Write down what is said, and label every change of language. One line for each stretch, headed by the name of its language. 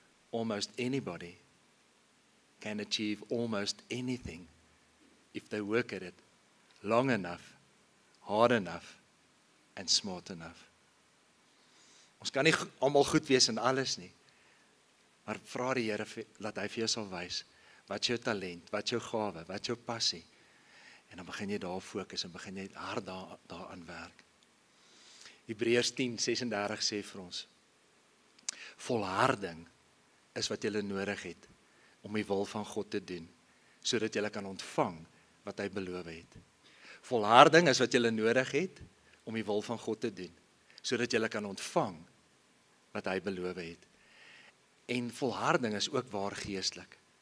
English: Almost anybody can achieve almost anything if they work at it long enough, hard enough, and smart enough.
Afrikaans: Ons kan nie allemaal goed wees in alles nie, maar vra die Heere, laat hy vir jou sal wys, wat jou talent, wat jou gawe, wat jou passie, en dan begin jy daar fokus, en begin jy hard daar aan werk. Hebreërs 10:36 sê vir ons, volharding is wat jy nodig het, om die wil van God te doen, zodat jy kan ontvang wat hy beloof het. Volharding is wat jy nodig het, om die wil van God te doen, zodat jy kan ontvang wat hy beloof het. En volharding is ook waar geestelik.